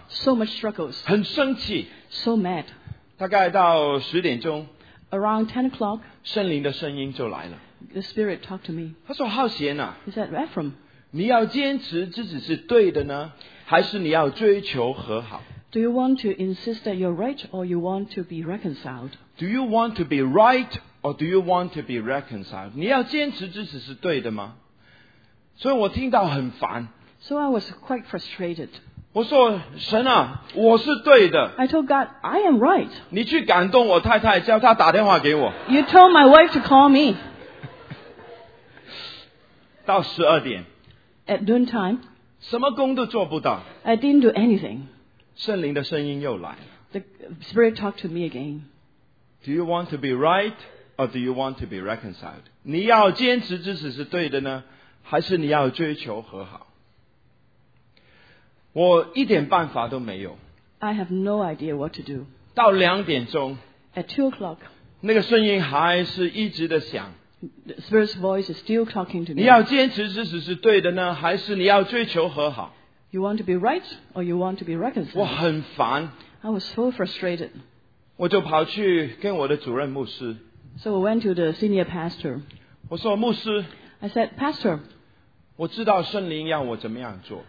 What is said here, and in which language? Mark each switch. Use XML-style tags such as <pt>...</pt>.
<en>So much struggles.</en> <zh>很生气。</zh> <en>So mad.</en> <zh>大概到十点钟。</zh> <en>Around 10 o'clock.</en> <zh>圣灵的声音就来了。</zh> <en>The Spirit talked to me.</en> <zh>他说浩贤啊。</zh> <en>He said, Ephraim.</en> <zh>你要坚持自己是对的呢还是你要追求和好</zh> <en>Do you want to insist that you're right or you want to be reconciled? Do you want to be right or do you want to be reconciled?</en> <zh>你要坚持自己是对的吗所以我听到很烦</zh> <en>So I was quite frustrated.</en> <zh>我说神啊我是对的</zh> <en>I told God, I am right.</en> <zh>你去感动我太太叫她打电话给我</zh> <en>You told my wife to call me.</en> <zh>到十二点</zh> <en>At noon time,</en> <zh>什么工都做不到。</zh> <en>I didn't do anything.</en> <zh>圣灵的声音又来了。</zh> <en>The Spirit talked to me again. Do you want to be right or do you want to be reconciled?</en> <zh>你要坚持自己是对的呢还是你要追求和好我一点办法都没有。</zh> <en>I have no idea what to do.</en> <zh>到两点钟。</zh> <en>At 2 o'clock.</en> <zh>那个声音还是一直的响。</zh> <en>The Spirit's voice is still talking to me.</en> <zh>你要坚持自己是对的呢还是你要追求和好</zh> <en>You want to be right or you want to be reconciled?</en> <zh>我很烦</zh> <en>I was so frustrated.</en> <zh>我就跑去跟我的主任牧师</zh> <en>So I went to the senior pastor.</en> <zh>我说牧师</zh> <en>I said, Pastor,</en> <zh>我知道圣灵要我怎么样做</zh>